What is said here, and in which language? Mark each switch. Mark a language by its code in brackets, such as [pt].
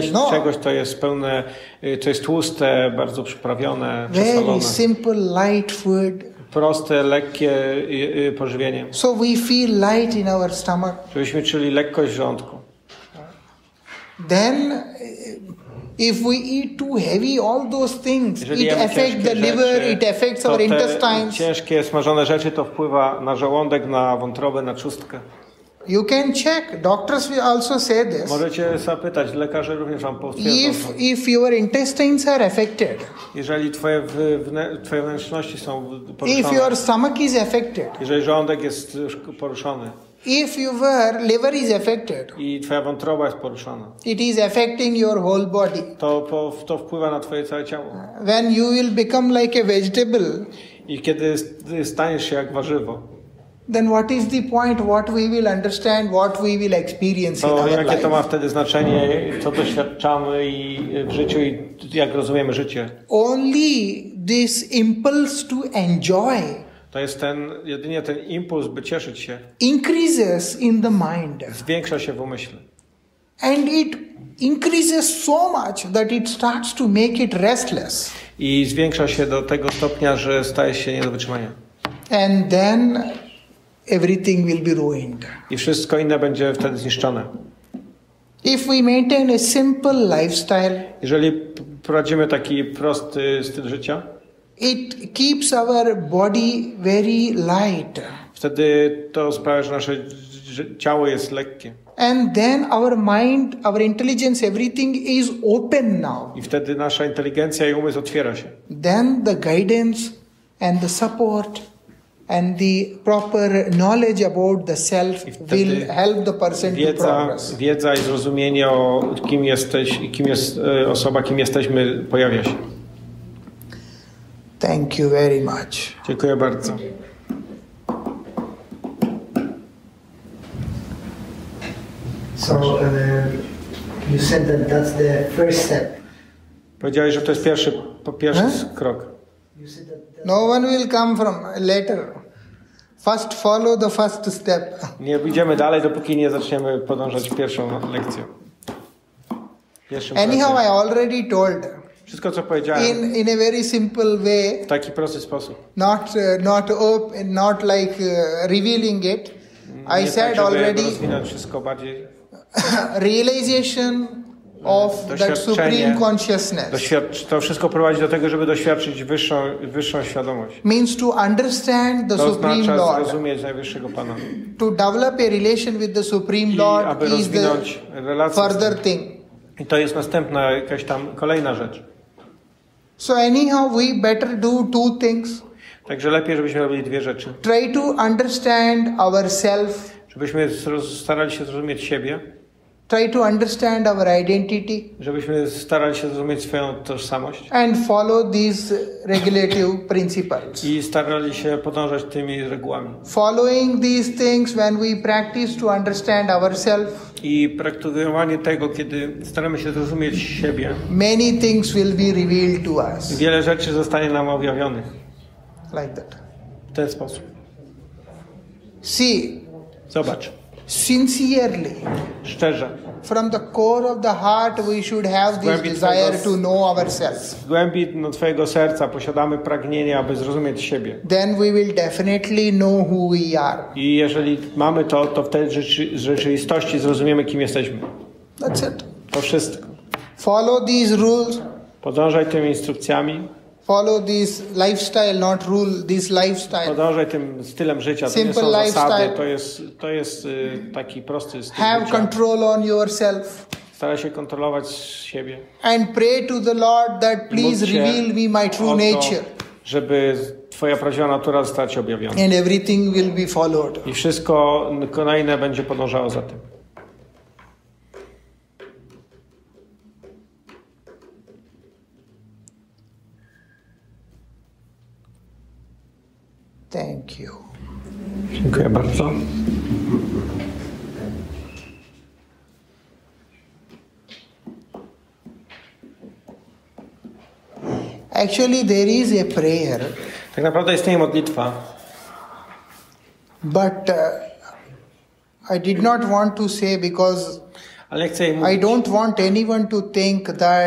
[pl] czegoś, to jest pełne, to jest tłuste, bardzo przyprawione, [en] very [pl] przesolone. [en] Simple light food. [pl] Proste, lekkie pożywienie. [en] So we feel light in our stomach. [pl] Żebyśmy czuli lekkość w żołądku. [en] Then, if we eat too heavy, all those things, [pl] jeżeli [en] it affects the liver, [pl] rzeczy, [en] it affects our intestines. [pl] Ciężkie, smażone rzeczy, to wpływa na żołądek, na wątrobę, na trzustkę. [en] You can check. Doctors also say this. [pl] Możecie zapytać, lekarze również wam potwierdzą. [en] If your intestines are affected. [pl] Jeżeli twoje wnętrzności są poruszone. [en] If your stomach is affected. [pl] Jeżeli żołądek jest poruszony. [en] If your liver is affected. [pl] I twoja wątroba jest poruszona. [en] It is affecting your whole body. [pl] To wpływa na twoje całe ciało. [en] When you will become like a vegetable. [pl] I kiedy staniesz się jak warzywo. [en] Then what is the point, what we will understand, what we will experience [pl] to [en] in our life? [pl] Jakie to ma wtedy znaczenie, co doświadczamy i w życiu i jak rozumiemy życie? [en] Only this impulse to enjoy. [pl] To jest jedynie ten impuls, by cieszyć się. [en] Increases in the mind. [pl] Zwiększa się w umyśle. [en] And it increases so much that it starts to make it restless. [pl] I zwiększa się do tego stopnia, że staje się nie do wytrzymania. [en] And then everything will be ruined. [pl] I wszystko inne będzie wtedy zniszczone. [en] If we maintain a simple lifestyle, [pl] jeżeli prowadzimy taki prosty styl życia, [en] it keeps our body very light. [pl] Wtedy to sprawia, że nasze ciało jest lekkie. [en] And then our mind, our intelligence, everything is open now. [pl] I wtedy nasza inteligencja i umysł otwiera się. [en] Then the guidance and the support and the proper knowledge about the self will help the person [pl] wiedza, [en] to progress. [pl] Wiedza i zrozumienie o kim jesteś, kim jest osoba, kim jesteśmy, pojawia się. [en] Thank you very much. [pl] Dziękuję bardzo. [en] So you said that that's the first step. [pl] Powiedziałeś, że to jest pierwszy krok. [en] No one will come from later. First follow the first step. [pl] Nie idziemy dalej, dopóki nie zaczniemy podążać pierwszą lekcją. [en] Anyhow, I already told. [pl] Wszystko, co powiedziałem. [en] In a very simple way. [pl] W taki prosty sposób. [en] Not like revealing it. [pl] Nie [en] I [pl] tak, [en] said already. [pl] Wszystko bardziej. [en] Realization of that supreme consciousness. [pl] To wszystko prowadzi do tego, żeby doświadczyć wyższą świadomość. [en] Means to understand the supreme Lord. [pl] To oznacza zrozumieć najwyższego Pana. [en] To develop a relation with the supreme Lord is the further thing. [pl] I to jest następna jakaś tam kolejna rzecz. [en] So anyhow, we better do two things. [pl] Także lepiej, żebyśmy robili dwie rzeczy. [en] Try to understand ourselves. [pl] Żebyśmy starali się zrozumieć siebie. [en] Try to understand our identity. [pl] Żebyśmy starali się zrozumieć swoją tożsamość. [en] And follow these regulative principles. [pl] I starali się podążać tymi regułami. [en] Following these things when we practice to understand ourselves. [pl] I praktykowanie tego, kiedy staramy się zrozumieć siebie. [en] Many things will be revealed to us. [pl] Wiele rzeczy zostanie nam objawionych. [en] Like that. [pl] W ten sposób. [en] See. [pl] Zobacz. [en] Sincerely, [pl] szczerze. [en] From the core of the heart, we should have this desire to know ourselves. [pl] Z głębi twojego serca posiadamy pragnienie, aby zrozumieć siebie. [en] Then we will definitely know who we are. [pl] I jeżeli mamy to, to wtedy w rzeczywistości zrozumiemy, kim jesteśmy. [en] That's it. [pl] To wszystko. [en] Follow these rules. [pl] Podążaj tymi instrukcjami. [en] Follow this lifestyle, not rule this lifestyle. [pl] Podążaj tym stylem życia, simple to nie są lifestyle. Zasady, to jest taki prosty styl. [en] Have [pl] życia. [en] Control on yourself. [pl] Staraj się kontrolować siebie. [en] And pray to the Lord that please reveal me my true nature. [pl] Żeby twoja prawdziwa natura została ci objawiona. [en] And everything will be followed. [pl] I wszystko kolejne będzie podążało za tym. [en] Thank you. [pl] Dziękuję bardzo. [en] Actually, there is a prayer. [pl] Tak naprawdę istnieje modlitwa. [en] But I did not want to say because I don't want anyone to think that